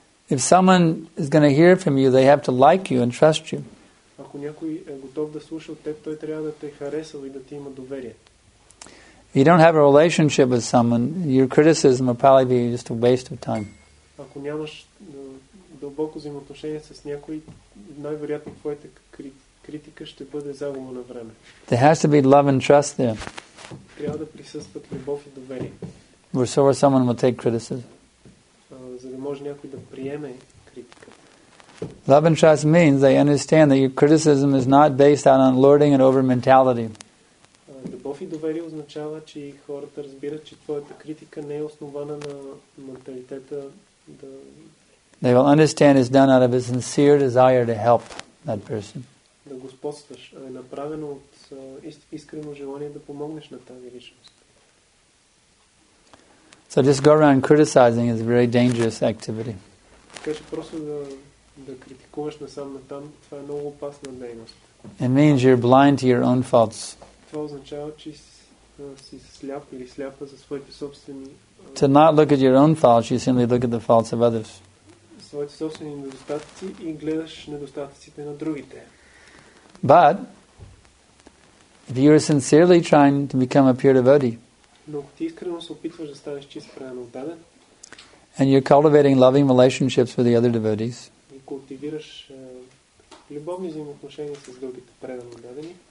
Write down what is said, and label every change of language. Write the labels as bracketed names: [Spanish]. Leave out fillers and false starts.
[English] If someone is going to hear from you, they have to like you and trust you. If you don't have a relationship with someone, your criticism will probably be just a waste of time. [Bulgarian] Ако нямаш дълбоко взаимоотношение с някой, най-вероятно твоята критика ще бъде загуба на време. [English] There has to be love and trust there. [Bulgarian] Трябва да присъстват любов и доверие. [English] Where someone will take criticism. [Bulgarian] За да може някой да приеме критика. [English] Love and trust means they understand that your criticism is not based on lording and over mentality. [Bulgarian] Любов и доверие означава, че хората разбират, че твоята критика не е основана на менталитета. [English] They will understand it's done out of a sincere desire to help that person. [Bulgarian] Да господстваш, а е направено от искрено желание да помогнеш на тази личност. [English] So just go around criticizing is a very dangerous activity. [Bulgarian] Така че просто да критикуваш насам натам, това е много опасна дейност. [English] It means you're blind to your own faults. [Bulgarian] Това означава, че си сляп или сляпа за своите собствени. [English] To not look at your own faults, you simply look at the faults of others. [Bulgarian] Своите собствени недостатъци и гледаш недостатъците на другите. [English] But if you are sincerely trying to become a pure devotee, [Bulgarian] но ти искрено се опитваш да станеш чист преданодаден, [English] and you're cultivating loving relationships with the other devotees, [Bulgarian] и култивираш любовни взаимоотношения с другите преданодадени,